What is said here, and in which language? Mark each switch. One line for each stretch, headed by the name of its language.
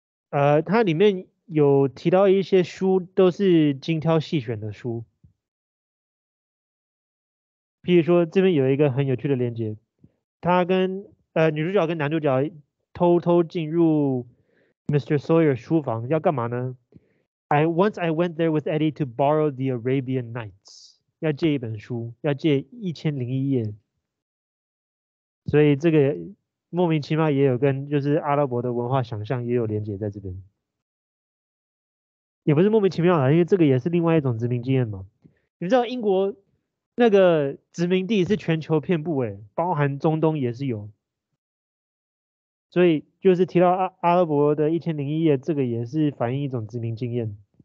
Chinese: 它里面有提到一些书，都是精挑细选的书。譬如说，这边有一个很有趣的连结，他跟女主角跟男主角偷偷进入 Mr.
English: Sawyer
Chinese: 书房，要干嘛呢？
English: I went there with Eddie to borrow the Arabian Nights.
Chinese: 要借一本书，要借1001页，所以这个莫名其妙也有跟就是阿拉伯的文化想象也有连结在这边，也不是莫名其妙啦，因为这个也是另外一种殖民经验嘛。你知道英国那个殖民地是全球遍布，欸，包含中东也是有，所以就是提到阿拉伯的1001页，这个也是反映一种殖民经验。